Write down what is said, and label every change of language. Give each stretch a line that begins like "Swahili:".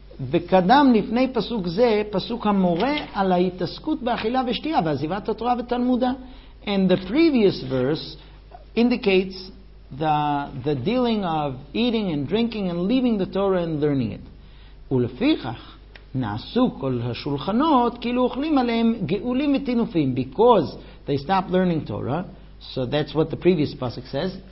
Hebrew: וקדם לפני פסוק זה פסוק המורה על ההתעסקות באכילה ושתייה ועזיבת התורה ותלמודה.
English: And the previous verse indicates the dealing of eating and drinking and leaving the Torah and learning it.
Hebrew: ולפיכך נעשו כל השולחנות כאילו אוכלים עליהם גאולים ותינופים,
English: because they stopped learning Torah. So that's what the previous pasuk says.